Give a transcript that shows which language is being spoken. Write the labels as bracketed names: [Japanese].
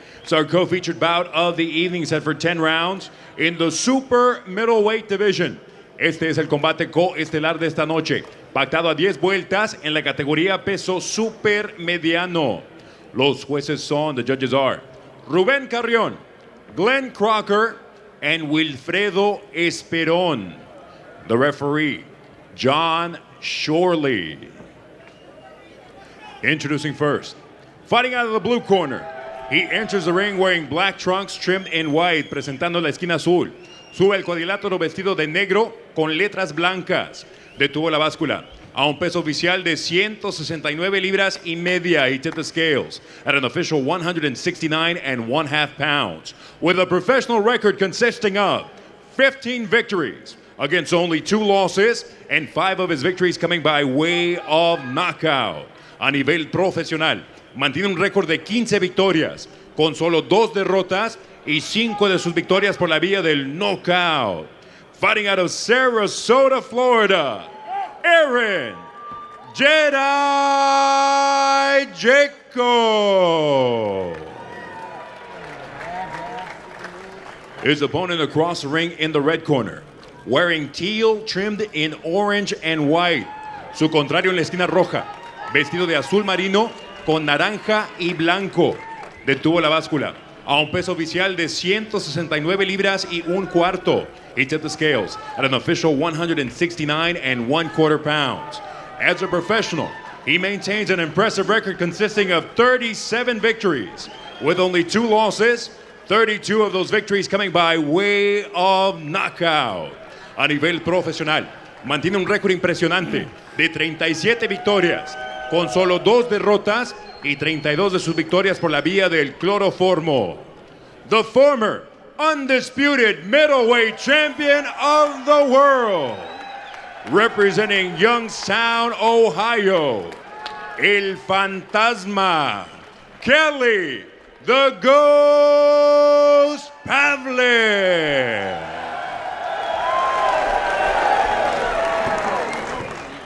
[English] It's our co-featured bout of the evening, set for 10 rounds in the super middleweight division. [Spanish] Este es el combate coestelar de esta noche, pactado a 10 vueltas en la categoría peso super mediano. Los jueces son, [English] the judges are, [Spanish] Rubén Carrión, Glenn Crocker, and Wilfredo Esperón. [English] The referee, John Shorley. Introducing first, fighting out of the blue corner. He enters the ring wearing black trunks trimmed in white, [Spanish] presentando la esquina azul. Sube el cuadrilátero vestido de negro con letras blancas. Detuvo la báscula a un peso oficial de 169 libras y media. [English] He tipped the scales at an official 169.5 pounds. With a professional record consisting of 15 victories against only 2 losses and 5 of his victories coming by way of knockout. [Spanish] A nivel profesional, mantiene un récord de 15 victorias con solo 2 derrotas y 5 de sus victorias por la vía del knockout. [English] Fighting out of Sarasota, Florida, Aaron Jedi Jaco. His opponent across the ring in the red corner, wearing teal trimmed in orange and white. [Spanish] Su contrario en la esquina roja, vestido de azul marino con naranja y blanco. Detuvo la báscula a un peso oficial de 169 libras y un cuarto. [English] He tipped the scales at an official 169.25 pounds. As a professional, he maintains an impressive record consisting of 37 victories with only 2 losses, 32 of those victories coming by way of knockout. [Spanish] A nivel profesional, mantiene un récord impresionante de 37 victorias con solo 2 derrotas y 32 de sus victorias por la vía del cloroformo. [English] The former undisputed middleweight champion of the world, representing Youngstown, Ohio, El Fantasma, Kelly the Ghost Pavlik.